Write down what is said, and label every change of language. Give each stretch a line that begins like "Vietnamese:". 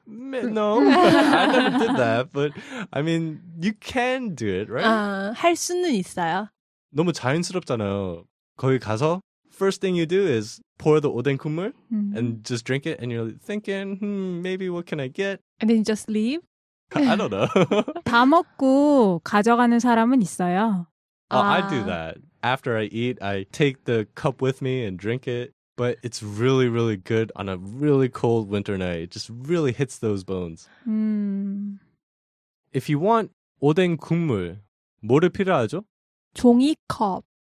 English: No, I never did that. But I mean, you can do it, right?
Korean: 할 수는 있어요. 너무 자연스럽잖아요. 거기 가서
English: first thing you do is pour the 오뎅 국물 and just drink it and you're thinking, maybe what can I get? And then just leave? I don't know.
Korean: 다 먹고 가져가는 사람은 있어요.
English: Oh, I do that. After I eat, I take the cup with me and drink it. But it's really, really good on a really cold winter night. It just really hits those bones. If you want
Korean: 오뎅 국물, 뭐를 필요하죠? 종이컵.